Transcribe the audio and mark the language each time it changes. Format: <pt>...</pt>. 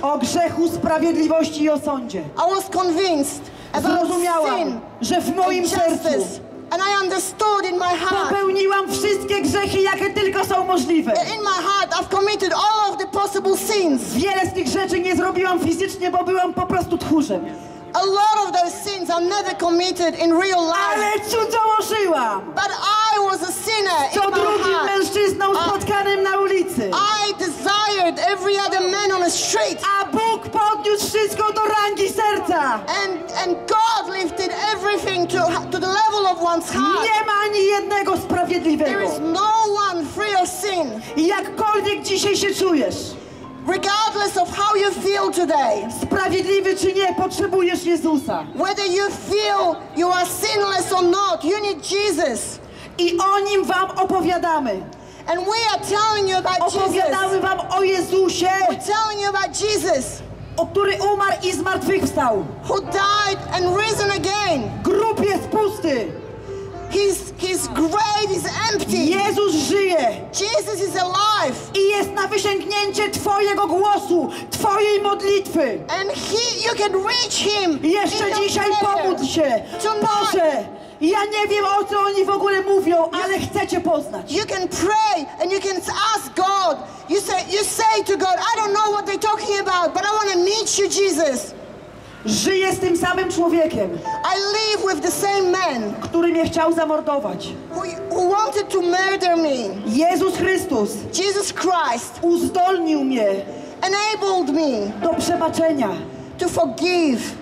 <pl>O grzechu, sprawiedliwości i o sądzie.</pl> <en>I was convinced.</en> <pl>Zrozumiałam,</pl> <en>sin,</en> <pl>że w moim sercu</pl> <en>and I understood in my heart.</en> <pl>Popełniłam wszystkie grzechy, jakie tylko są możliwe.</pl> <en>In my heart I've committed all of the possible sins.</en> <pl>Wiele z tych rzeczy nie zrobiłam fizycznie, bo byłam po prostu tchórzem.</pl> <en>A lot of those sins I've never committed in real life.</en> <pl>Ale cudzołożyłam.</pl> <en>But I was a sinner in my heart.</en> <pl>Co drugim mężczyzną spotkanym na ulicy.</pl> <en>I desired every other man on the street.</en> <pl>A Bóg podniósł wszystko do rangi serca.</pl> <en>And God lifted everything to the level of one's heart.</en> <pl>Nie ma ani jednego sprawiedliwego.</pl> <en>There is no one free of sin.</en> <pl>Jakkolwiek dzisiaj się czujesz.</pl> <en>Regardless of how you feel today,</en> <pl>sprawiedliwy czy nie, potrzebujesz Jezusa.</pl> <en>Whether you feel you are sinless or not, you need Jesus.</en> <pl>I o nim wam opowiadamy.</pl> <en>And we are telling you about Jesus.</en> <pl>Opowiadamy wam o Jezusie.</pl> <en>We're telling you about Jesus.</en> <pl>O który umarł i zmartwychwstał.</pl> <en>Who died and risen again.</en> <pl>Grób jest pusty.</pl> <en>His grave is empty.</en> <pl>Jezus żyje.</pl> <en>Jesus is alive.</en> <pl>I jest na wysięgnięcie twojego głosu, twojej modlitwy.</pl> <en>And you can reach him.</en> <pl>Jeszcze dzisiaj pomódl się. Boże, ja nie wiem, o co oni w ogóle mówią, ale chcę cię poznać.</pl> <en>You can pray and you can ask God. You say to God, I don't know what they're talking about, but I want to meet you, Jesus.</en> <pl>Żyję z tym samym człowiekiem,</pl> <en>I live with the same man,</en> <pl>który mnie chciał zamordować.</pl> <en>Who wanted to murder me.</en> <pl>Jezus Chrystus,</pl> <en>Jesus Christ,</en> <pl>uzdolnił mnie,</pl> <en>enabled me,</en> <pl>do przebaczenia.</pl> <en>To forgive.</en>